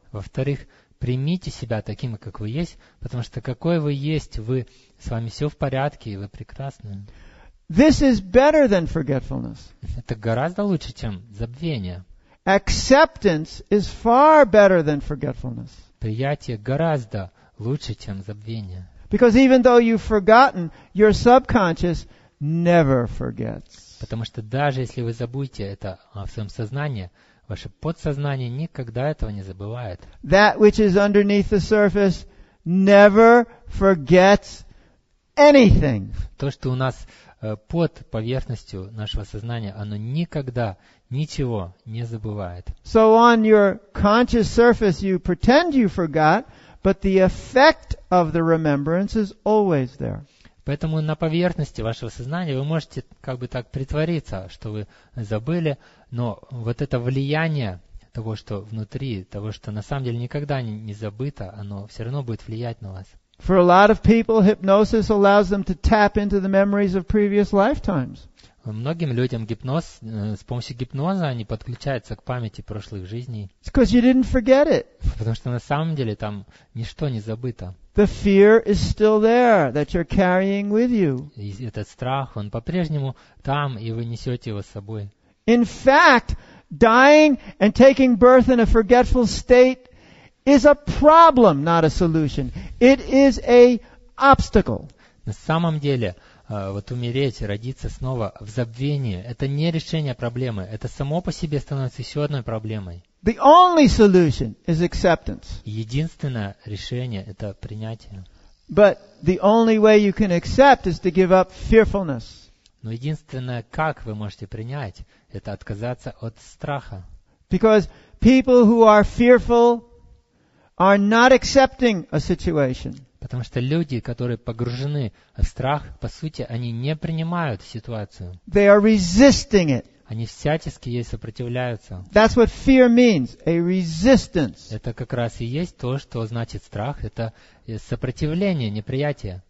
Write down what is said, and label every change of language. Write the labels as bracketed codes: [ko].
[ru] Во-вторых, примите себя таким, как вы есть, потому что какой вы есть, вы с вами все в порядке, и вы прекрасны. [en] This is better than forgetfulness. [ru] Это гораздо лучше, чем забвение. [en] Acceptance is far better than forgetfulness. [ru] Приятие гораздо лучше, чем забвение. [en] Because even though you've forgotten, your subconscious never forgets. [ru] Потому что даже если вы забудете это в своем сознании, ваше подсознание никогда этого не забывает. [en] That which is underneath the surface never forgets anything. [ru] То, что у нас под поверхностью нашего сознания, оно никогда ничего не забывает. [en] So on your conscious surface you pretend you forgot, but the effect of the remembrance is always there. [ru] Поэтому на поверхности вашего сознания вы можете как бы так притвориться, что вы забыли, но вот это влияние того, что внутри, того, что на самом деле никогда не забыто, оно все равно будет влиять на вас. [en] For a lot of people, hypnosis allows them to tap into the memories of previous lifetimes. [ru] Многим людям гипноз, с помощью гипноза они подключаются к памяти прошлых жизней. [en] It's because you didn't forget it. [ru] Потому что на самом деле там ничто не забыто. [en] The fear is still there that you're carrying with you. [ru] И этот страх, он по-прежнему там, и вы несете его с собой. [en] In fact, dying and taking birth in a forgetful state is a problem, not a solution. It is a obstacle. [ru] На самом деле, вот умереть, родиться снова в забвении, это не решение проблемы. Это само по себе становится еще одной проблемой. [en] The only solution is acceptance. [ru] Единственное решение – это принятие. [en] But the only way you can accept is to give up fearfulness. [ru] Но единственное, как вы можете принять, это отказаться от страха. [en] Because people who are fearful are not accepting a situation. [ru] Потому что люди, которые погружены в страх, по сути, они не принимают ситуацию. [en] They are resisting it. [ru] Они всячески ей сопротивляются. [en] That's what fear means, a resistance. [ru] Это как раз и есть то, что значит страх. Это сопротивление, неприятие.